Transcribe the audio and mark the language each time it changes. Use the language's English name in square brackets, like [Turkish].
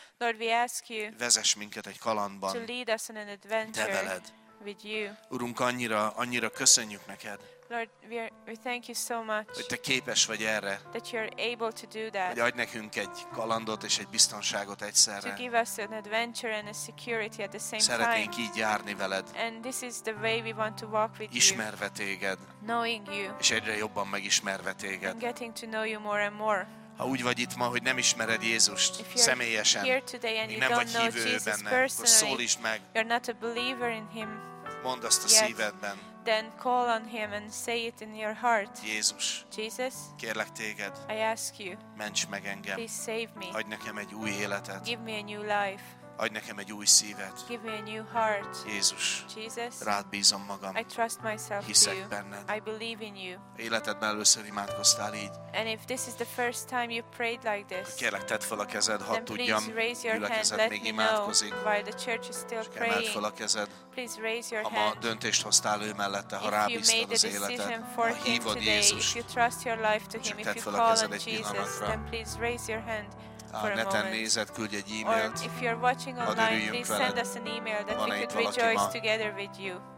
[English] Lord, we ask you [Hungarian] vezess minket egy kalandban, [English] to lead us on an adventure [Hungarian] te veled. [English] With you. [Hungarian] Urunk, annyira köszönjük neked, [English] Lord, we thank you so much, [Hungarian] hogy te képes vagy erre, [English] that you are able to do that, [Hungarian] hogy adj nekünk egy kalandot és egy biztonságot egyszerre. [English] To give us an adventure and a security at the same time. [Hungarian] Szeretnénk így járni veled. [English] And this is the way we want to walk with you. [Hungarian] Ismerve téged. [English] Knowing you. [Hungarian] És egyre jobban megismerve téged. [English] And getting to know you more and more. [Hungarian] Ha úgy vagy itt ma, hogy nem ismered Jézust személyesen, még nem vagy hívő benne, akkor szólítsd meg. [English] You're not a believer in him. [Hungarian] Mondd azt a szívedben. [English] Then call on him and say it in your heart. [Hungarian] Jézus. [English] Jesus. [Hungarian] Kérlek téged. [English] I ask you. [Hungarian] Ments meg engem. [English] Please save me. [Hungarian] Adj nekem egy új életet. [English] Give me a new life. [Hungarian] Adj nekem egy új szívet. [English] Give me a new heart. [Hungarian] Jézus. [English] Jesus. [Hungarian] Rád bízom magam. [English] I trust myself [Hungarian] Hiszek [English] to you. [Hungarian] Benned. [English] I believe in you. [Hungarian] Életedben először imádkoztál így. [English] And if this is the first time you prayed like this. [Hungarian] Kérlek, tedd fel a kezed, ha tudjam. [English] Then please raise your hand. Let [Hungarian] me imádkozik. [English] Know. While the church is still praying. [Hungarian] Tedd fel a kezed. [English] Please raise your hand. [Hungarian] Ha ma döntést hoztál ő mellette, ha rábíztad az életed, ha hívod Jézus, [English] if you trust your life to him, if you call on Jesus, then please raise your hand. [Hungarian] Ha neten nézed, küldj egy e-mailt. [English] Or if you're watching online, please send us an email that we could rejoice together with you.